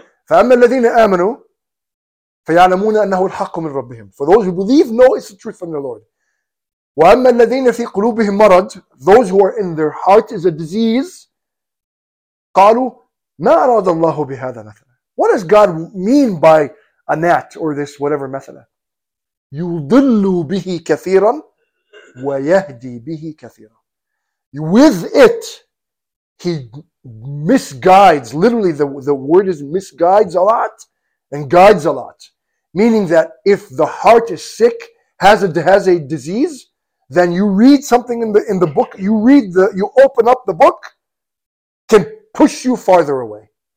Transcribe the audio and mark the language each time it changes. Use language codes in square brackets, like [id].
[ar] فَأَمَّا الَّذِينَ آمَنُوا فَيَعْلَمُونَ أَنَّهُ الْحَقُّ مِنْ رَبِّهِمْ. [en] For those who believe, know it's the truth from their Lord. [ar] وَأَمَّا الَّذِينَ فِي قُلُوبِهِمْ مَرَضٌ. [en] Those who are in their heart is a disease. [ar] قَالُوا مَا أَرَادَ اللَّهُ بِهَذَا مَثَلًا. [en] What does God mean by a gnat or this whatever مثلا? [ar] يُضِلُّ بِهِ كَثِيرًا وَيَهْدِي بِهِ كَثِيرًا. [en] With it, he misguides, literally the word is misguides a lot and guides a lot. Meaning that if the heart is sick, has a disease, then you read something in the book, you open up the book, can push you farther away.